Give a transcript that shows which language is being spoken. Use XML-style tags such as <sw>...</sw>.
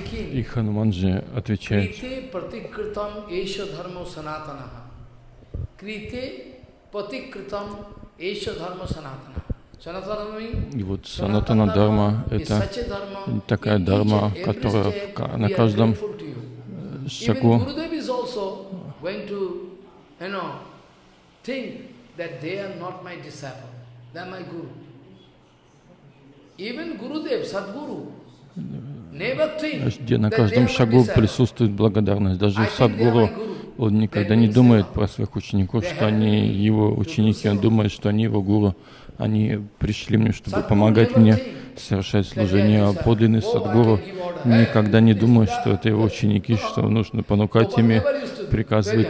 <ru>И Хануман же отвечает: и вот санатана дхарма — это такая дхарма, которая на каждом шагу.</ru> <en>Going to, you know, think that they are not my disciple, they are my guru. Even Gurudev, Sadguru, never think that they are my</en> <ru>На каждом шагу присутствует благодарность. Даже Садгуру, он никогда не думает про своих учеников, что они его ученики. Он думает, что они его гуру. Они пришли мне, чтобы помогать мне совершать служение. А подлинный Садгуру никогда не думает, что это его ученики, что нужно понукать ими, приказывать.</ru>